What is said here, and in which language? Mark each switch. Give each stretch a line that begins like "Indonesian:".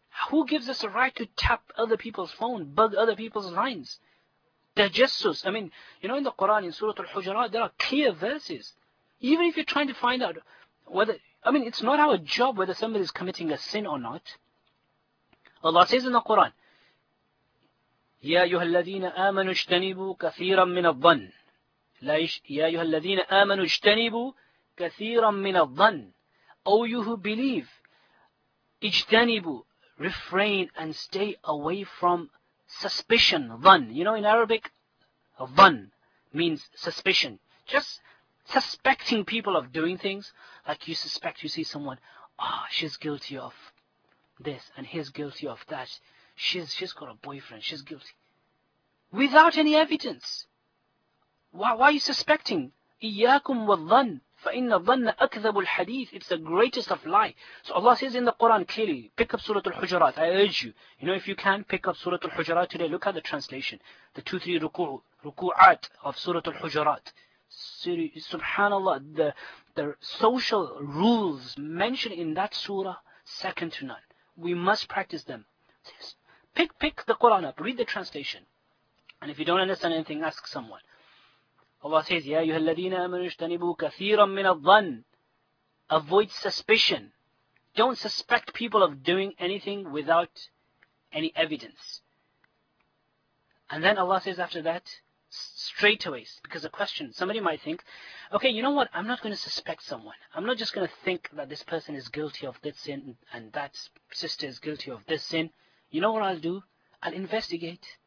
English: Who gives us the right to tap other people's phone, bug other people's lines? Tajassus. I mean, you know, in the Quran, in Surah Al-Hujurat, there are clear verses. Even if you're trying to find out whether, I mean, it's not our job whether somebody is committing a sin or not. Allah says in the Quran,
Arabic: يَا أَيُّهَا الَّذِينَ آمَنُوا اجْتَنِبُوا كَثِيرًا مِنَ الظَّنِّ. يَا أَيُّهَا الَّذِينَ آمَنُوا اجْتَنِبُوا كَثِيرًا مِنَ الظَّنِّ.
English: O you who believe, اجْتَنِبُوا, refrain and stay away from suspicion, ظَنِّ. You know, in Arabic, ظَنِّ means suspicion. Just suspecting people of doing things, like you suspect, you see someone, she's guilty of this, and he's guilty of that. She's got a boyfriend, she's guilty. Without any evidence. Why are you suspecting?
Arabic: إِيَّاكُمْ وَالظَّنِّ فَإِنَّ الظَّنَّ أَكْذَبُ الْحَدِيثِ.
English: It's the greatest of lie. So Allah says in the Quran clearly, pick up Surah Al-Hujurat, I urge you. You know, if you can, pick up Surah Al-Hujurat today. Look at the translation. The 2-3 ruku'at of Surah Al-Hujurat. Subhanallah, the social rules mentioned in that surah, second to none. We must practice them. Pick the Quran up, read the translation. And if you don't understand anything, ask someone. Allah says,
Arabic: يَا أَيُّهَا الَّذِينَ آمَنُوا اجْتَنِبُوا كَثِيرًا مِّنَ الظَّنِّ.
English: Avoid suspicion. don't suspect people of doing anything without any evidence. And then Allah says after that, straightaways, because a question, somebody might think, okay, you know what, I'm not going to suspect someone. I'm not just going to think that this person is guilty of this sin and that sister is guilty of this sin. You know what I'll do? I'll investigate.